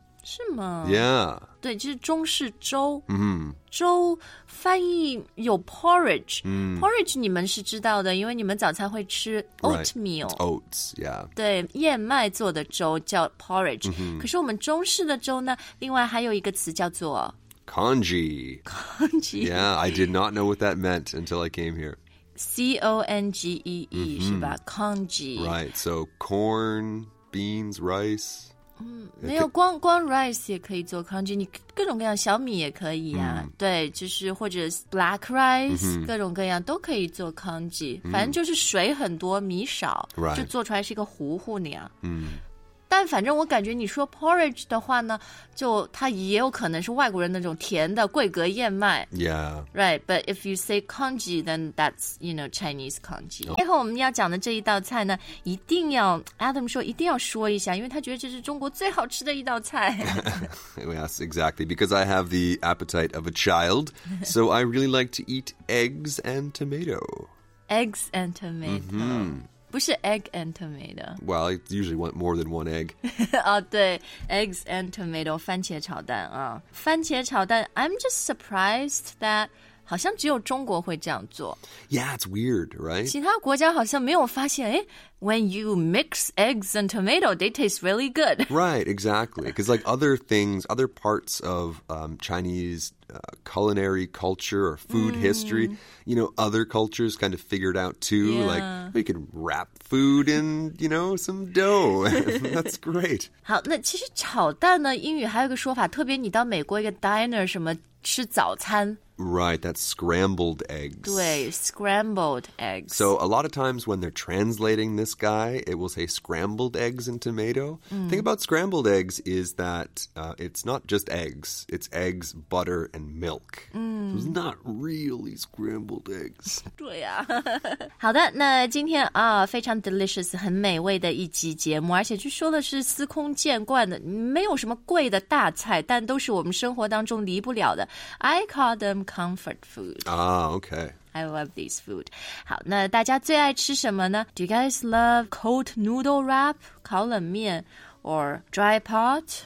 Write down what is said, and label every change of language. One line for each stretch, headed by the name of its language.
Chinese: 是吗
English: ？Yeah.
Chinese: 对，就是中式粥。 Mm-hmm. 粥翻译有 porridge.、 Mm. Porridge 你们是知道的，因为你们早餐会吃 oatmeal.、
English: Right. Oats, yeah.
Chinese: 对，燕麦做的粥叫 porridge.、 Mm-hmm. 可是我们中式的粥呢，另外还有一个词叫做
English: congee. Congee. Yeah, I did not know what that meant until I came here.
Chinese: C-O-N-G-E-E,、mm-hmm. 是吧 ？Congee.
English: Right. So corn, beans, rice.
Chinese: 没有光 rice 也可以做 congee 你各种各样小米也可以啊、mm. 对就是或者 black rice、mm-hmm. 各种各样都可以做 congee、mm. 反正就是水很多米少、
English: right.
Chinese: 就做出来是一个糊糊那样、 mm. 但反正我感觉你说 porridge 的话呢就它也有可能是外国人那种甜的桂格燕麦
English: yeah right but if you say congee then that's you know Chinese congee
Chinese: 最后我们要讲的这一道菜呢一定要 Adam 说一定要说一下因为他觉得这是中国最好吃的一道菜
English: yes exactly because I have the appetite of a child so I really like to eat eggs and tomato eggs and tomato、 mm-hmm.
Chinese: 不是 egg and tomato.
English: Well, I usually want more than one egg.
Chinese: 哦，对 ，eggs and tomato, 番茄炒蛋啊，番茄炒蛋。
English: I'm just surprised that
Chinese: 好像只有中国会这样做。
English: Yeah, it's weird, right?
Chinese: 其他国家好像没有发现。
English: 哎 ，when you mix eggs and tomato, they taste really good. Right, exactly. Because like other things, other parts of Chinese culinary culture or food history, you know, other cultures kind of figured out too, yeah. like. We can wrap food in, you know, some dough. That's great.
Chinese: 好，那其实炒蛋呢，英语还有个说法，特别你到美国一个 diner 什么吃早餐。
English: Right, that's scrambled eggs. 对 scrambled eggs. So a lot of times when they're translating this guy, it will say scrambled eggs and tomato.、 Mm. The thing about scrambled eggs is that、it's not just eggs. It's eggs, butter, and milk.、 Mm. So it's not really scrambled eggs.
Chinese: 对啊。好的那今天啊、哦、非常 delicious, 很美味的一集节目而且就说的是司空见惯的没有什么贵的大菜但都是我们生活当中离不了的。
English: I call themComfort food. Ah, okay. I love these food.
Chinese: 好，那大家最爱吃什么呢 ？
English: Do you guys love cold noodle wrap, 烤冷面 or dry pot?